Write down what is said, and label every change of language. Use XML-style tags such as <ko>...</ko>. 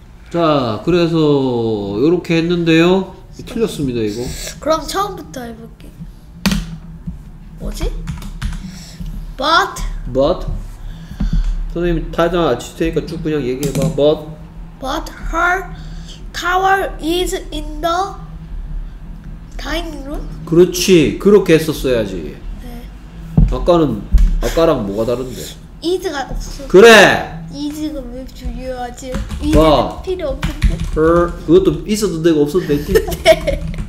<ko>자 그래서 이렇게 했는데요 틀렸습니다 이거 그럼 처음부터 해볼게 뭐지?</ko> <en>But</en> <ko>선생님 타자 아칠 테니까 쭉 그냥 얘기해봐</ko> <en>But her tower is in the dining room?</en> <ko>그렇지 그렇게 했었어야지 네 아까는 아까랑 뭐가 다른데 is가 없어 그래 is가 왜 중요하지 is는 필요 없는데 her 그것도 있어도 되고 없어도 되지 네</ko>